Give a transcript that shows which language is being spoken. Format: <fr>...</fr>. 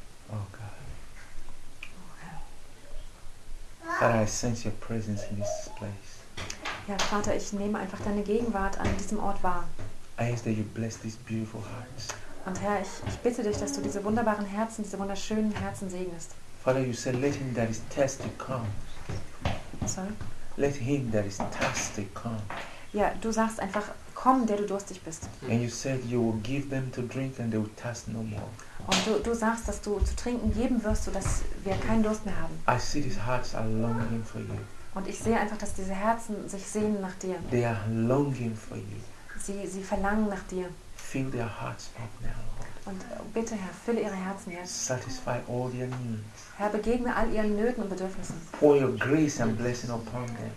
<en>Oh God. Father, I sense your presence in this place.</en> <de>Ja, Vater, ich nehme einfach deine Gegenwart an diesem Ort wahr.</de> <en>I ask that you bless these beautiful hearts.</en> <de>Und Herr, ich bitte dich, dass du diese wunderbaren Herzen, diese wunderschönen Herzen segnest.</de> <en>Father, you said, let him that is thirsty come. Sorry? Let him that is thirsty come.</en> <de>Ja, du sagst einfach, komm, der du durstig bist.</de> <en>And you said, you will give them to drink and they will thirst no more.</en> <de>Und du sagst, dass du zu trinken geben wirst, sodass wir keinen Durst mehr haben.</de> <en>I see these hearts are longing for you.</en> <de>Und ich sehe einfach, dass diese Herzen sich sehnen nach dir.</de> <en>They are longing for you.</en> <de>Sie verlangen nach dir.</de> <en>Fill their hearts up now, Lord.</en> <de>Und bitte, Herr, fülle ihre Herzen jetzt.</de> <en>Satisfy all their needs.</en> <de>Herr, begegne all ihren Nöten und Bedürfnissen.</de> <en>Pour your grace and blessing upon them.</en>